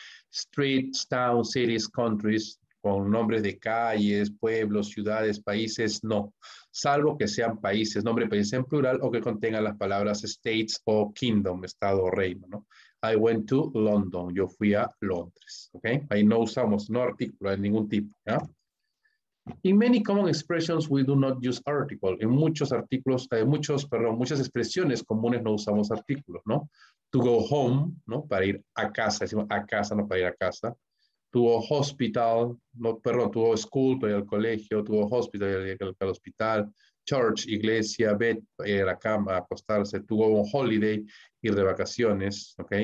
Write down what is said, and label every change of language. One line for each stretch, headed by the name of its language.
English: Streets, towns, cities, countries,
Spanish: con nombres de calles, pueblos, ciudades, países, no. Salvo que sean países, nombre de países en plural, o que contengan las palabras states o kingdom, estado o reino, ¿no?
English: I went to London.
Spanish: Yo fui a Londres. Okay? Ahí no usamos no artículo de ningún tipo. ¿Ya?
English: In many common expressions, we do not use article.
Spanish: En muchos artículos, muchas expresiones comunes no usamos artículo, ¿no?
English: To go home,
Spanish: ¿no? Para ir a casa. Decimos a casa, no para ir a casa.
English: To go hospital,
Spanish: no, perdón,
English: to go school,
Spanish: para ir al colegio.
English: To go hospital,
Spanish: al hospital. Church, iglesia, bed, la cama, acostarse,
English: to go on holiday,
Spanish: ir de vacaciones, ¿ok?